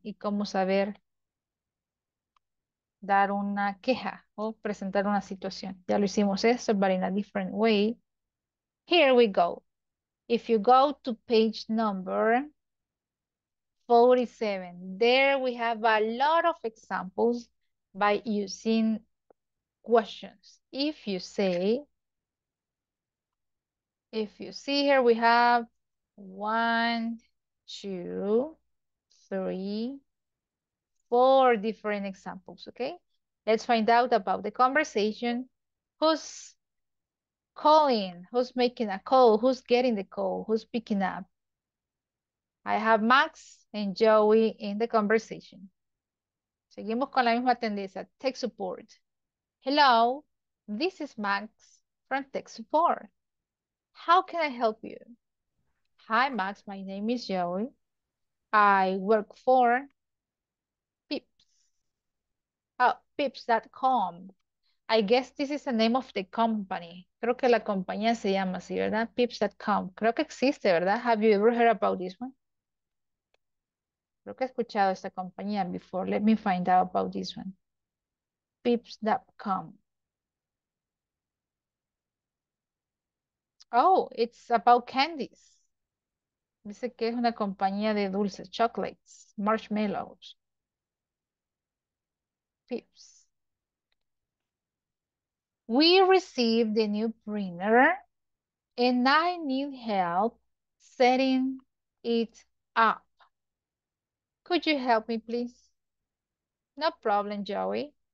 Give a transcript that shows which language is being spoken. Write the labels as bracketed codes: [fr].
[es] Y cómo saber dar una queja o presentar una situación. Ya lo hicimos eso, [en] but in a different way. Here we go. If you go to page number 47, there we have a lot of examples by using questions. If you say, if you see here, we have one, two, three, four different examples, okay? Let's find out about the conversation. Who's calling? Who's making a call? Who's getting the call? Who's picking up? I have Max and Joey in the conversation. [es] Seguimos con la misma tendencia, [en] tech support. Hello, this is Max from tech support. How can I help you? Hi, Max. My name is Joey. I work for Pips. Oh, Pips.com. I guess this is the name of the company. [es] Creo que la compañía se llama así, ¿verdad? [en] Pips.com. [es] Creo que existe, ¿verdad? [en] Have you ever heard about this one? [es] Creo que he escuchado esta compañía [en] before. Let me find out about this one. Pips.com. Oh, it's about candies. [es] Dice que es una compañía de dulces, chocolates, marshmallows. Pips. [en] We received the new printer and I need help setting it up. Could you help me, please? No problem, Joey.